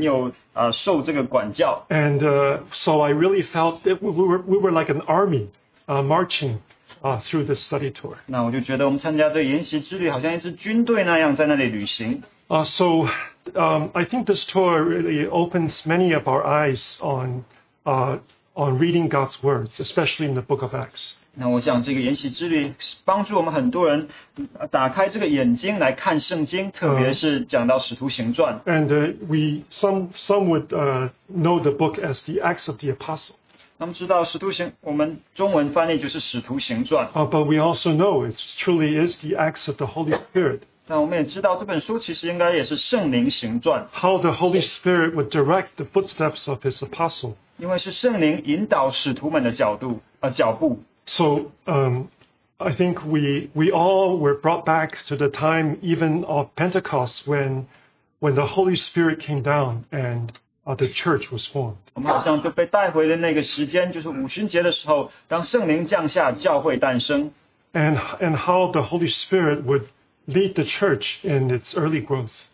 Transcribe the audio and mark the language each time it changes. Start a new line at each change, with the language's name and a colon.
Chinese: 那我就意识到你参加这个旅行，你要很有受这个管教。
English: And so I really felt that we were like an army marching through this study tour.
Chinese: 那我就觉得我们参加这个研习之旅，好像一支军队那样在那里旅行。
English: I think this tour really opens many of our eyes on reading God's words, especially in the book of Acts.
Chinese: 那我想这个研习之旅帮助我们很多人打开这个眼睛来看圣经，特别是讲到使徒行传。
English: And some would know the book as the Acts of the Apostles.
Chinese: 他们知道使徒行，我们中文翻译就是使徒行传。
English: But we also know it truly is the Acts of the Holy Spirit.
Chinese: 那我们也知道这本书其实应该也是圣灵行传。
English: How the Holy Spirit would direct the footsteps of His apostle.
Chinese: 因为是圣灵引导使徒们的脚步。
English: So I think we all were brought back to the time even of Pentecost when the Holy Spirit came down and the church was formed.
Chinese: 我们好像就被带回了那个时间，就是五旬节的时候，当圣灵降下，教会诞生。
English: And how the Holy Spirit would lead the church in its early growth.